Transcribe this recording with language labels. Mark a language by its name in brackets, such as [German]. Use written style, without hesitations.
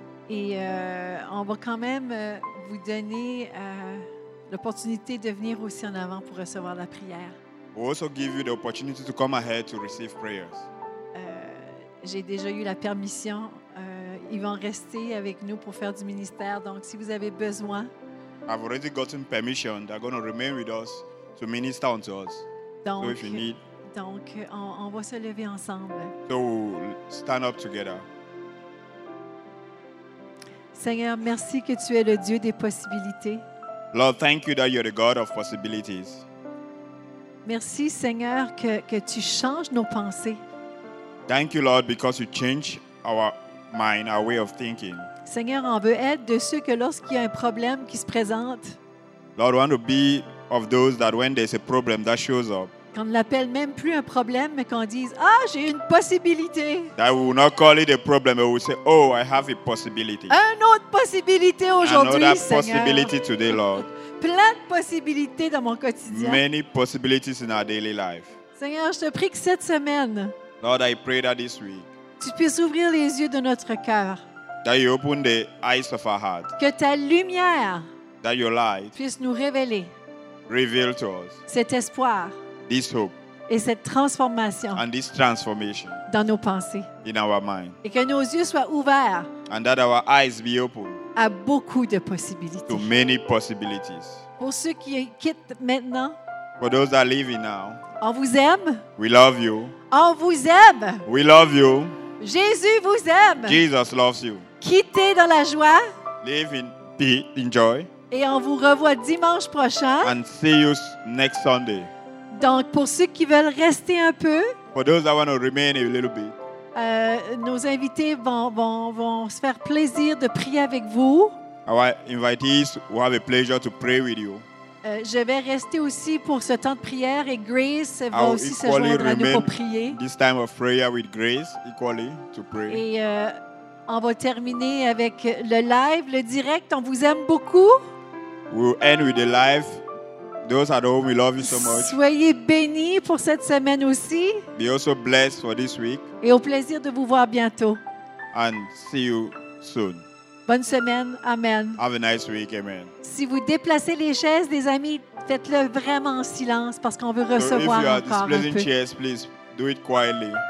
[French] Et on va quand même vous donner l'opportunité de venir aussi en avant pour recevoir la prière. [English] We'll also give you the opportunity to come ahead to receive prayers. [French] J'ai déjà eu la permission. Ils vont rester avec nous pour faire du ministère. Donc, si vous avez besoin, [English] I've already gotten permission. They're going to remain with us to minister unto us. [French] Donc, [English] so if you need, [French] donc on va se lever ensemble. [English] So we'll stand up together. [French] Seigneur, merci que tu es le Dieu des possibilités. [English] Lord, thank you that you're the God of possibilities. [French] Merci, Seigneur, que tu changes nos pensées. [English] Thank you, Lord, because you change our mind, our way of thinking. [French] Seigneur, on veut être de ceux que lorsqu'il y a un problème qui se présente. [English] Lord, we want to be of those that when there's a problem that shows up. [French] Qu'on ne l'appelle même plus un problème, mais qu'on dise, ah, j'ai une possibilité. [English] That we will not call it a problem, but we will say, oh, I have a possibility. [French] Une autre possibilité aujourd'hui, Seigneur. [English] Another possibility today, Lord. [French] Plein de possibilités dans mon quotidien. [English] Many possibilities in our daily life. [French] Seigneur, je te prie que cette semaine. [English] Lord, I pray that this week. [French] Tu puisses ouvrir les yeux de notre cœur. [English] That you open the eyes of our heart. [French] Que ta lumière. [English] That your light. [French] Puisse nous révéler. [English] Reveal to us. [French] Cet espoir. [English] This hope. [French] Et cette transformation. [English] And this transformation. [French] Dans nos pensées. [English] In our mind. [French] Et que nos yeux soient ouverts. [English] And that our eyes be open. [French] À beaucoup de possibilités. [English] To many possibilities. [French] Pour ceux qui quittent maintenant. [English] For those that are leaving now. [French] On vous aime. [English] We love you. [French] On vous aime. [English] We love you. [French] Jésus vous aime. [English] Jesus loves you. [French] Quittez dans la joie. [English] Live in peace, enjoy. [French] Et on vous revoit dimanche prochain. [English] And see you next Sunday. [French] Donc pour ceux qui veulent rester un peu. [English] For those that want to remain a little bit. [French] Nos invités vont se faire plaisir de prier avec vous. [English] Our invitees will have a pleasure to pray with you. [French] Je vais rester aussi pour ce temps de prière et Grace va aussi se joindre à nous pour prier. [English] This time of prayer with Grace equally to pray. [French] Et on va terminer avec le live, le direct. On vous aime beaucoup. [English] We'll end with the live. Those at home, we love you so much. [French] Soyez bénis pour cette semaine aussi. [English] Be also blessed for this week. [French] Et au plaisir de vous voir bientôt. [English] And see you soon. [French] Bonne semaine. Amen. [English] Have a nice week. Amen. [French] Si vous déplacez les chaises, les amis, faites-le vraiment en silence parce qu'on veut recevoir encore un peu. [English] If you are displacing chairs, please do it quietly.